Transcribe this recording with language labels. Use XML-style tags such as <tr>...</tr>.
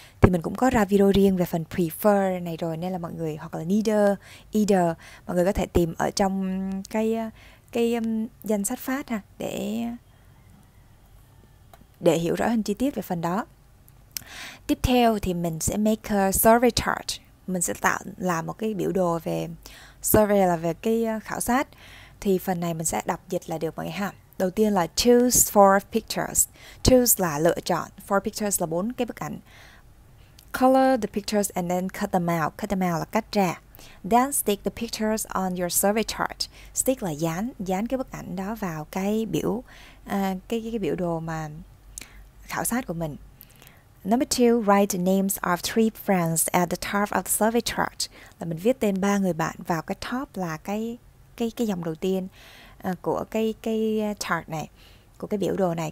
<vi>Thì mình cũng có ra video riêng về phần prefer này rồi, nên là mọi người hoặc là needer, either, mọi người có thể tìm ở trong cái danh sách phát ha, để hiểu rõ hơn chi tiết về phần đó. Tiếp theo thì mình sẽ</vi> <en>make a survey chart.</en> <vi>Mình sẽ tạo làm một cái biểu đồ về survey, là về cái khảo sát. Thì phần này mình sẽ đọc dịch là được mọi người ha. Đầu tiên là</vi> <en>choose 4 pictures.</en> <vi>Choose là lựa chọn. 4 pictures là 4 cái bức ảnh.</vi> <en>Color the pictures and then cut them out. Cut them out</en> <vi>là cắt ra.</vi> <en>Then stick the pictures on your survey chart. Stick</en> <vi>là dán. Dán cái bức ảnh đó vào cái biểu cái biểu đồ mà khảo sát của mình.</vi> <en>Number 2, write the names of 3 friends at the top of the survey chart.</en> <vi>Là mình viết tên 3 người bạn vào cái top, là cái dòng đầu tiên của cái chart này, của cái biểu đồ này.</vi>